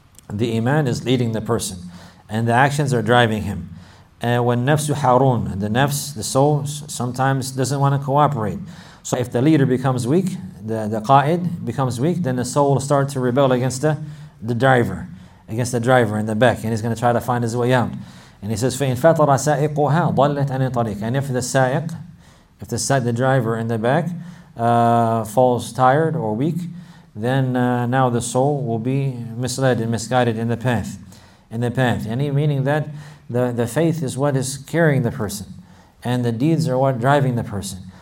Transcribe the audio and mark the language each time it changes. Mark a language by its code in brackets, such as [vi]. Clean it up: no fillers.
[en] The Iman is leading the person, and the actions are driving him. And when nafsu harun, the nafs, the soul, sometimes doesn't want to cooperate. So if the leader becomes weak, the qa'id becomes weak, then the soul will start to rebel against the driver, against the driver in the back, and he's going to try to find his way out. And he says, [ar] فَإِن فَتَرَ سَائِقُهَا ضَلَّتْ عَنِ الطَّرِيقِ. [en] And if the sa'iq, if the sa'iq, the driver in the back, falls tired or weak, then now the soul will be misled and misguided in the path. In the path. And meaning that the faith is what is carrying the person, and the deeds are what driving the person.